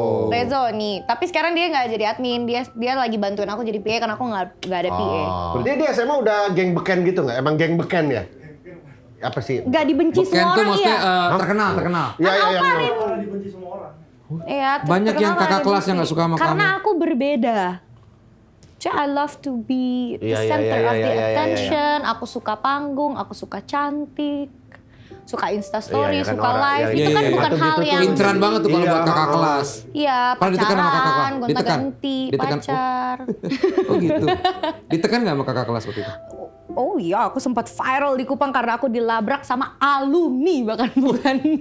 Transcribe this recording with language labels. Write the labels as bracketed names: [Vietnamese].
[Indonesian] Rezo nih, tapi sekarang dia nggak jadi admin, dia lagi bantuin aku jadi PA karena aku nggak ada PA. Berarti dia SMA udah geng beken gitu nggak? Emang geng beken ya? Apa sih? Gak dibenci semua orang ya? Beken tuh maksudnya terkenal. Ya, kan Alparin. Dibenci semua orang. Iya, banyak yang kakak kelas yang gak suka sama karena kamu. Karena aku berbeda. [English] So, I love to be the center of the attention. [Indonesian] Aku suka panggung, aku suka cantik. Suka instastory, suka live. Itu kan bukan hal yang... Inceran banget tuh kalau buat kakak kelas. Iya, pacaran, gonta-ganti, pacar. Oh gitu. Ditekan gak sama kakak kelas waktu itu? Oh iya, aku sempat viral di Kupang karena aku dilabrak sama alumni, bahkan bukan